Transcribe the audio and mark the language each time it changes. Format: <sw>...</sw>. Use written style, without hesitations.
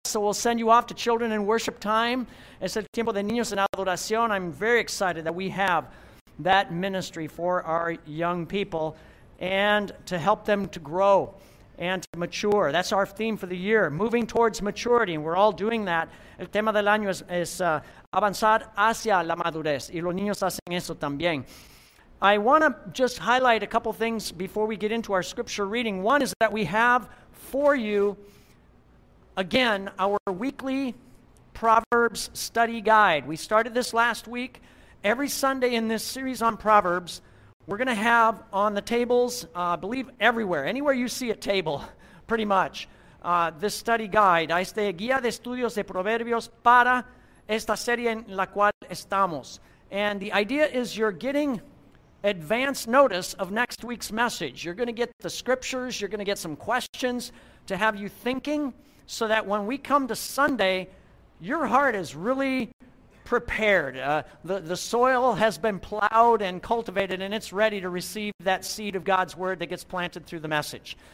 <en>So we'll send you off to children and worship time.</en> <es>Es el tiempo de niños en adoración.</es> <en>I'm very excited that we have that ministry for our young people and to help them to grow and to mature. That's our theme for the year, moving towards maturity, and we're all doing that.</en> <es>El tema del año es avanzar hacia la madurez, y los niños hacen eso también.</es> <en>I want to just highlight a couple things before we get into our scripture reading. One is that we have for you, again, our weekly Proverbs study guide. We started this last week. Every Sunday in this series on Proverbs, we're going to have on the tables, I believe everywhere, anywhere you see a table, pretty much, this study guide.</en> <es>Ahí está guía de estudios de Proverbios para esta serie en la cual estamos.</es> <en>And the idea is you're getting advance notice of next week's message. You're going to get the scriptures. You're going to get some questions to have you thinking so that when we come to Sunday, your heart is really prepared. The soil has been plowed and cultivated, and it's ready to receive that seed of God's word that gets planted through the message.</en>